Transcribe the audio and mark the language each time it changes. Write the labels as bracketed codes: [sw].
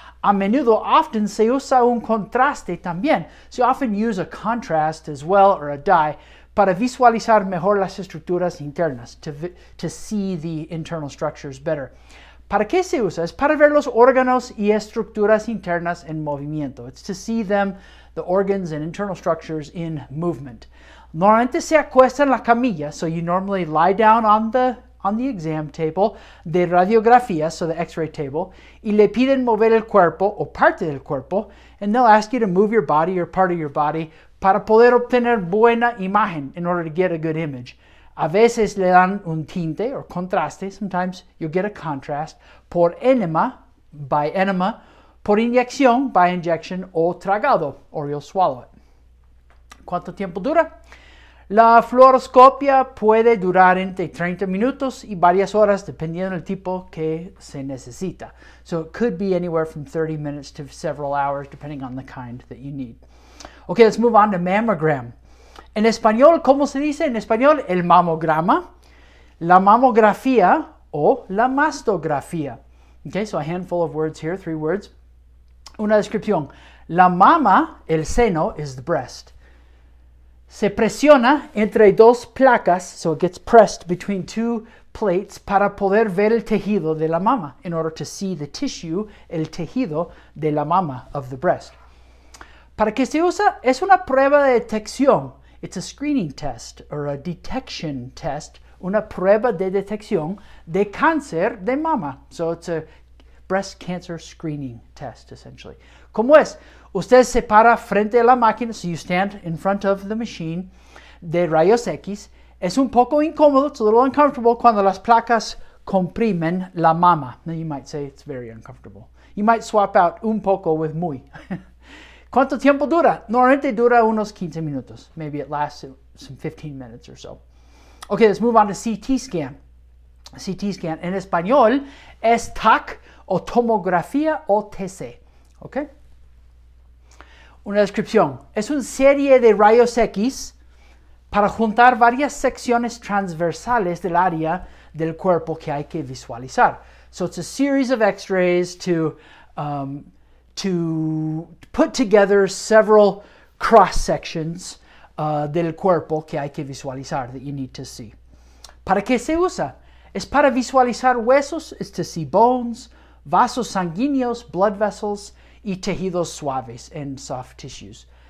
[es] A menudo, [en] often, [es] se usa un contraste también. [en] So you often use a contrast as well, or a dye, [es] para visualizar mejor las estructuras internas, [en] to see the internal structures better. [es] ¿Para qué se usa? Es para ver los órganos y estructuras internas en movimiento. [en] It's to see them, the organs and internal structures in movement. [es] Normalmente se acuesta en la camilla, [en] so you normally lie down on the exam table [es] de radiografía, [en] so the x-ray table, [es] y le piden mover el cuerpo o parte del cuerpo, [en] and they'll ask you to move your body or part of your body [es] para poder obtener buena imagen, [en] in order to get a good image. [es] A veces le dan un tinte or contraste, [en] sometimes you'll get a contrast, [es] por enema, [en] by enema, [es] por inyección, [en] by injection, [es] o tragado, [en] or you'll swallow it. [es] ¿Cuánto tiempo dura? La fluoroscopia puede durar entre 30 minutos y varias horas, dependiendo del tipo que se necesita. [en] So it could be anywhere from 30 minutes to several hours, depending on the kind that you need. Okay, let's move on to mammogram. [es] En español, ¿cómo se dice en español? El mamograma, la mamografía o la mastografía. [en] Okay, so a handful of words here, three words. [es] Una descripción. La mama, el seno, [en] is the breast. [es] Se presiona entre dos placas, [en] so it gets pressed between two plates, [es] para poder ver el tejido de la mama, [en] in order to see the tissue, [es] el tejido de la mama [en] of the breast. [es] ¿Para qué se usa? Es una prueba de detección. [en] It's a screening test or a detection test. [es] Una prueba de detección de cáncer de mama. [en] So it's a breast cancer screening test, essentially. [es] ¿Cómo es? Usted se para frente a la máquina. [en] So you stand in front of the machine [es] de rayos X. Es un poco incómodo. [en] It's a little uncomfortable [es] cuando las placas comprimen la mama. [en] Now you might say it's very uncomfortable. You might swap out un poco with muy. [es] ¿Cuánto tiempo dura? Normalmente dura unos 15 minutos. [en] Maybe it lasts some 15 minutes or so. Okay, let's move on to CT scan. CT scan. [es] En español es TAC o tomografía o TC. ¿Ok? Una descripción. Es una serie de rayos X para juntar varias secciones transversales del área del cuerpo que hay que visualizar. [en] So it's a series of X-rays to put together several cross sections [es] del cuerpo que hay que visualizar, [en] that you need to see. [es] ¿Para qué se usa? Es para visualizar huesos, [en] is to see bones, [es] vasos sanguíneos, [en] blood vessels, [es] y tejidos suaves [en] and soft tissues.